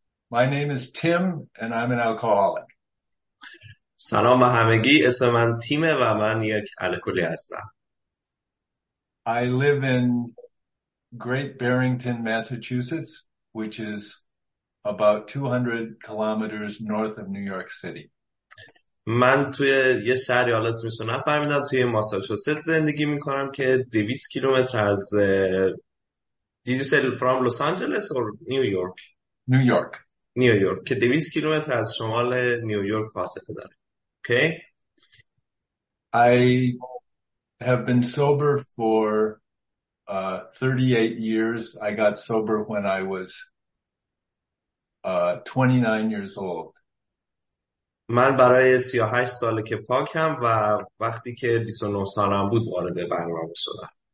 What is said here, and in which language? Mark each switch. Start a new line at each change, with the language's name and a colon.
English: My name is Tim, and I'm an alcoholic.
Persian: سلام به همگی، اسم من تیمه و من یک الکلی هستم.
English: I live in Great Barrington, Massachusetts, which is about 200 kilometers north of New York City.
Persian: من توی یه شهری حالا اسمش رو نفهمیدم توی ماساچوست زندگی میکنم که 200 کیلومتر از
English: Did you say from Los Angeles or New York? New York. New York.
Persian: که 200 کیلومتر از شمال نیو یورک فاصله داره.
English: Okay. I have been sober for 38 years. I got sober when I was 29 years old.
Persian: من برای 38 ساله که پاکم و وقتی که 29 سالم بود وارد برنامه شدم.